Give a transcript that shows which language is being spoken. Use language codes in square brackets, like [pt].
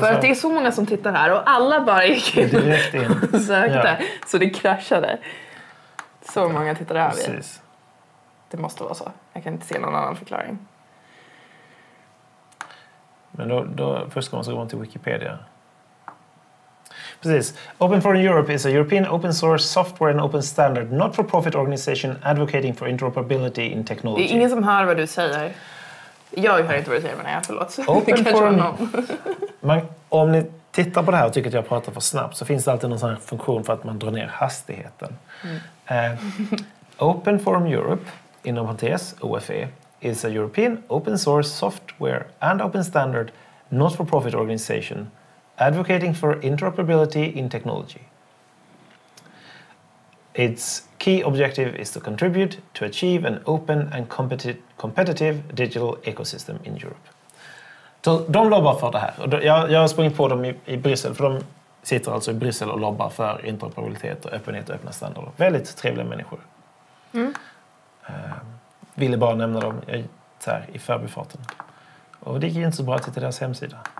[sv] För att det är så många som tittar här och alla bara gick direkt in och sökte. Ja. Så det kraschade. Så många tittar här. Precis. Det måste vara så. Jag kan inte se någon annan förklaring. Men då först ska man så gå till Wikipedia. Precis. [en] Open Forum Europe is a European open source software and open standard not-for-profit organization advocating for interoperability in technology. [sv] Det är ingen som hör vad du säger. Jag hör inte vad du säger, men förlåt. [en] Open Forum... [sv] om ni tittar på det här och tycker att jag pratar för snabbt, så finns det alltid någon sån här funktion för att man drar ner hastigheten. Mm. [en] Open Forum Europe, [sv] inom parentes, [en] OFE, is a European open source software and open standard not-for-profit organization advocating for interoperability in technology. Its key objective is to contribute to achieve an open and competitive digital ecosystem in Europe. [sv] Så de lobbar för det här. Jag har sprungit på dem i Bryssel, för de sitter alltså i Bryssel och lobbar för interoperabilitet och öppenhet och öppna standarder. Väldigt trevliga människor. Mm. Ville bara nämna dem i förbifarten. Och det gick ju inte så bra till deras hemsida.